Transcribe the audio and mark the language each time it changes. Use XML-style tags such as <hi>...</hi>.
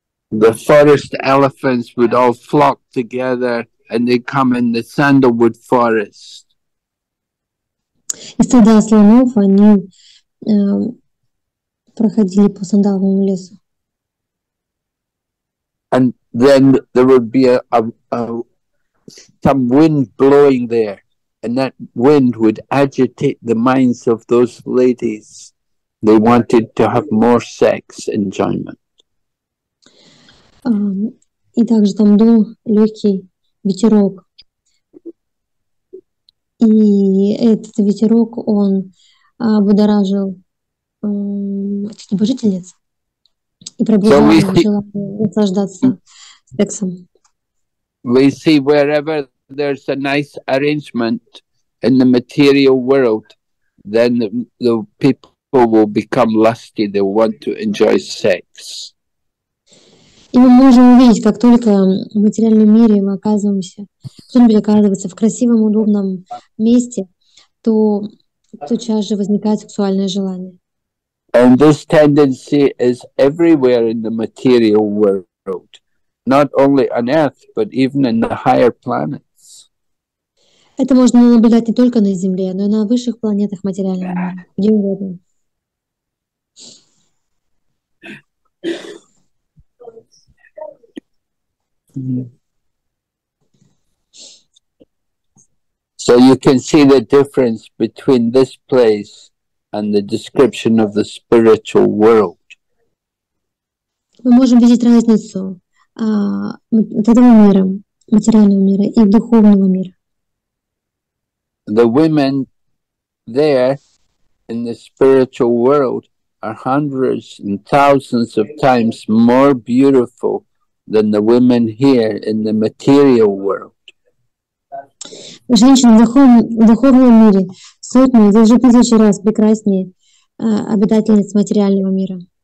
<en>The forest elephants would all flock together and they come in the sandalwood forest.</en> <ru>И стада слонов, они проходили по сандаловому лесу.</ru> <en>And then there would be some wind blowing there, and that wind would agitate the minds of those ladies. They wanted to have more sex enjoyment.</en> <ru>И также там дул легкий ветерок. И этот ветерок, он будоражил Божительниц и пробуждала его желание наслаждаться сексом.</ru> <en>We see wherever there's a nice arrangement in the material world, then the people will become lusty, they want to enjoy sex.</en> <ru>И мы можем увидеть, как только в материальном мире мы оказываемся, кто-нибудь оказывается в красивом, удобном месте, то тотчас же возникает сексуальное желание.</ru> <en>And this tendency is everywhere in the material world. Not only on Earth, but even in the higher planets.</en> <ru>Это можно наблюдать не только на Земле, но и на высших планетах материальном мире. Где угодно.</ru> <en>So you can see the difference between this place and the description of the spiritual world.</en> <ru>Мы можем видеть разницу вот этого мира, материального мира и духовного мира.</ru> <en>The women there in the spiritual world are hundreds and thousands of times more beautiful than the women here in the material world.</en> <ru>Женщины в духовном мире сотни, даже тысячи раз прекраснее обитательниц материального мира.</ru>